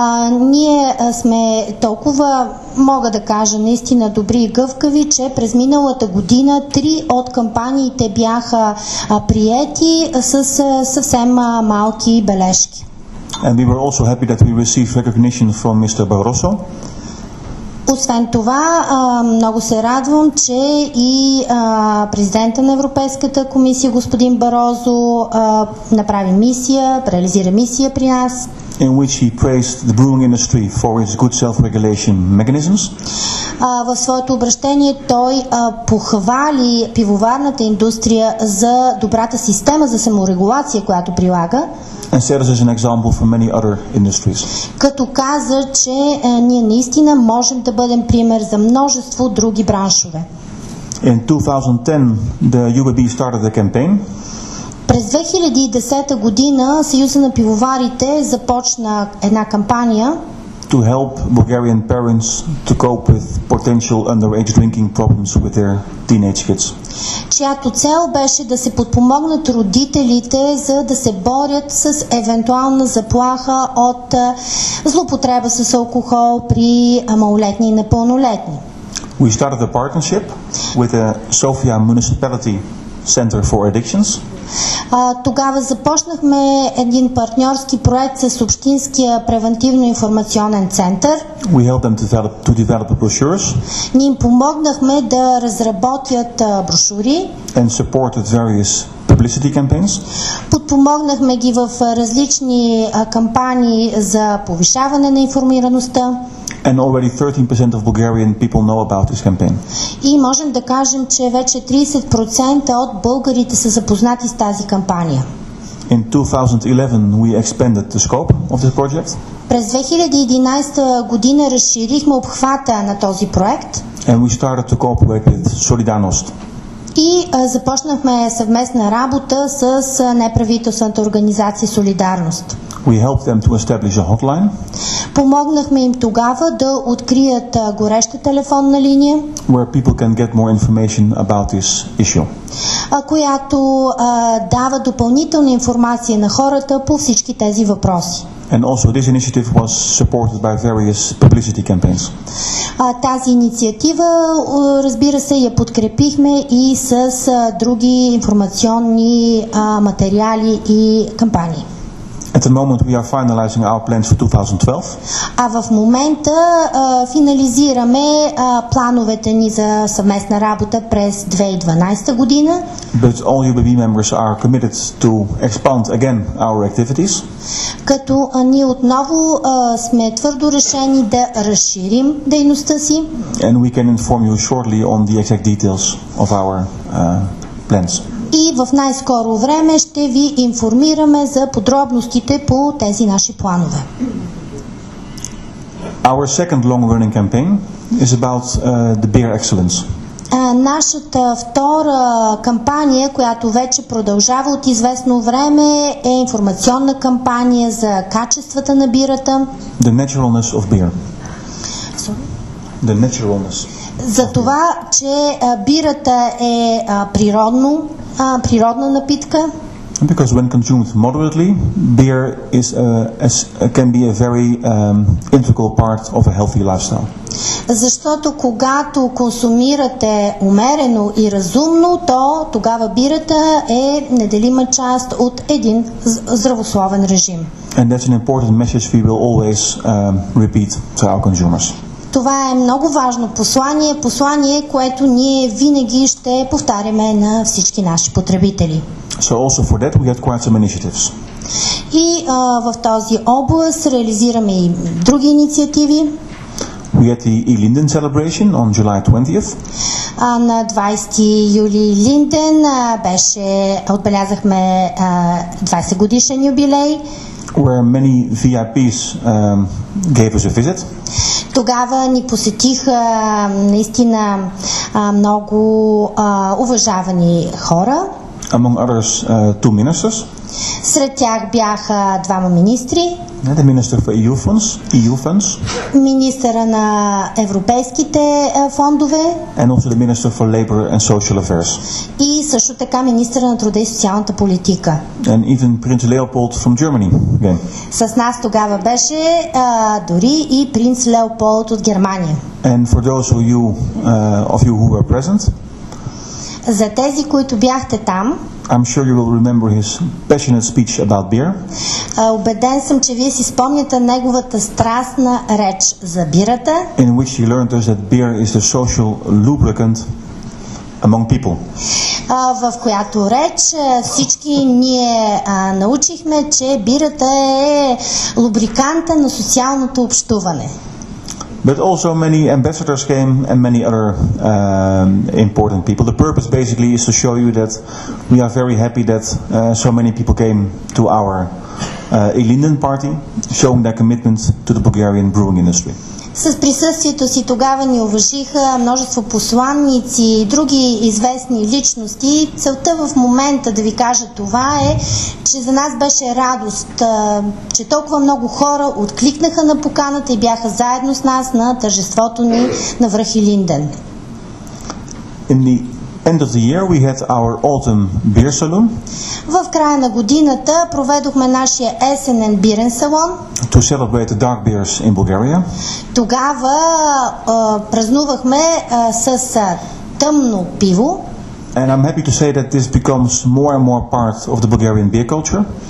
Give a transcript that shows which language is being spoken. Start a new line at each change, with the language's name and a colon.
Bulgarian: Ние сме толкова, мога да кажа, наистина добри и гъвкави, че през миналата година 3 от кампаниите бяха приети с съвсем малки бележки.
English: And we were also happy that we received recognition from Mr. Barroso.
Bulgarian: Освен това, много се радвам, че и президента на Европейската комисия, господин Барозо, направи мисия, реализира мисия при нас.
English: In which he praised the brewing industry for its good self-regulation mechanisms.
Bulgarian: В своето обращение той похвали пивоварната индустрия за добрата система за саморегулация, която прилага.
English: And said this is an example for many other industries.
Bulgarian: Като каза, че ние наистина можем да бъдем пример за множество други браншове.
English: In 2010, the UAB started the campaign.
Bulgarian: През 2010 година Съюза на пивоварите започна една кампания
English: to help Bulgarian parents to cope with potential underage drinking problems with their teenage kids.
Bulgarian: Чиято цел беше да се подпомогнат родителите, за да се борят с евентуална заплаха от злоупотреба с алкохол при малолетни и непълнолетни.
English: We started a partnership with the Sofia municipality Center for Addictions.
Bulgarian: Тогава започнахме един партньорски проект с Общинския превентивно-информационен център.
English: We helped them to develop brochures.
Bulgarian: Ние им помогнахме да разработят брошури.
English: And supported various publicity campaigns.
Bulgarian: Подпомогнахме ги в различни кампании за повишаване на информираността.
English: And already 13% of Bulgarian people know about this campaign.
Bulgarian: И можем да кажем, че вече 30% от българите са запознати с тази кампания.
English: In 2011 we expanded the scope of this project.
Bulgarian: През 2011 година разширихме обхвата на този проект.
English: And we started to cooperate with Solidarnost.
Bulgarian: И започнахме съвместна работа с неправителствената организация Солидарност.
English: We helped them to establish a hotline.
Bulgarian: Помогнахме им тогава да открият гореща телефонна линия,
English: where people can get more information about this issue.
Bulgarian: Която дава допълнителна информация на хората по всички тези въпроси.
English: And also this initiative was supported by various publicity campaigns.
Bulgarian: Тази инициатива, разбира се, я подкрепихме и с други информационни материали и кампании.
English: At the moment we are finalizing our plans for 2012.
Bulgarian: А в момента финализираме плановете ни за съвместна работа през 2012 година.
English: But all UBB members are committed to expand again our activities.
Bulgarian: Като ние отново сме твърдо решени да разширим дейността си.
English: And we can inform you shortly on the exact details of our plans.
Bulgarian: И в най-скоро време ще ви информираме за подробностите по тези наши планове.
English: Our second long-running campaign is about the beer excellence.
Bulgarian: Нашата втора кампания, която вече продължава от известно време, е информационна кампания за качествата на бирата.
English: The naturalness of beer. Sorry? The naturalness.
Bulgarian: За това, че бирата е природно, природна напитка.
English: Because when consumed moderately, beer is can be a very integral part of a healthy lifestyle.
Bulgarian: Защото когато консумирате умерено и разумно, то тогава бирата е неделима част от един здравословен режим.
English: And that's an important message we will always repeat to our consumers.
Bulgarian: Това е много важно послание, послание, което ние винаги ще повтаряме на всички наши потребители.
English: So also for that we had quite some initiatives.
Bulgarian: И в този област реализираме и други инициативи.
English: We had the E-Linden celebration on July 20th.
Bulgarian: На 20 юли Линден отбелязахме 20 годишен юбилей.
English: Where many VIPs gave us a visit.
Bulgarian: Тогава ни посетиха наистина много уважавани хора.
English: Among others, two ministers.
Bulgarian: Сред тях бяха двама министри.
English: The minister for EU funds, EU funds.
Bulgarian: Министъра на европейските фондове.
English: And also the minister for labor and social affairs.
Bulgarian: И също така министъра на труда и социалната политика.
English: And even Prince Leopold from Germany again.
Bulgarian: С нас тогава беше дори и принц Леополд от Германия.
English: And for those of you, who were present.
Bulgarian: За тези, които бяхте там,
English: I'm sure you will remember his passionate speech about beer.
Bulgarian: Убеден съм, че вие си спомняте неговата страстна реч за бирата.
English: In which he learned us that beer is the social lubricant among people.
Bulgarian: В която реч всички ние научихме, че бирата е лубриканта на социалното общуване.
English: But also many ambassadors came and many other important people. The purpose basically is to show you that we are very happy that so many people came to our E-Linden party, showing their commitment to the Bulgarian brewing industry.
Bulgarian: С присъствието си тогава ни уважиха множество посланници и други известни личности. Целта в момента да ви кажа това е, че за нас беше радост, че толкова много хора откликнаха на поканата и бяха заедно с нас на тържеството ни на връх Илинден.
English: In the end of the year we had our autumn beer salon.
Bulgarian: В края на годината проведохме нашия есенен бирен салон.
English: To celebrate the dark beers in Bulgaria.
Bulgarian: Тогава празнувахме с тъмно пиво.
English: And I'm happy to say that this becomes more and more part of the Bulgarian beer culture.